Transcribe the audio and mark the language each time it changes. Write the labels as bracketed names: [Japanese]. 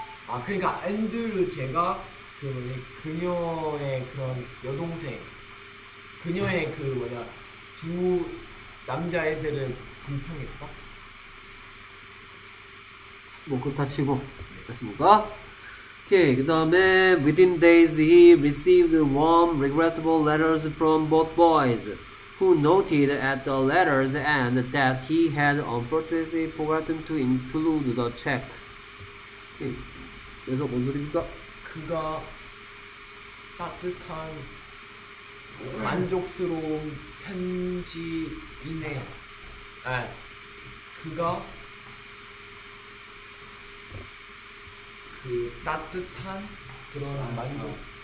[Korean] 아, 그니까, 앤드류 제가, 그녀의 그런 여동생, 그녀의 두 남자애들을 불평했다? 뭐, 그렇다 치고, 됐습니까? [English] 오케이, 그 다음에 within days he received warm, regrettable letters from both boys who noted at the letters end that he had unfortunately forgotten to include the check. [Korean] 오케이, 그래서 뭔 소리입니까? 그가 따뜻한 만족스러운 편지이네요. 아, 그가 따뜻한 그런 만족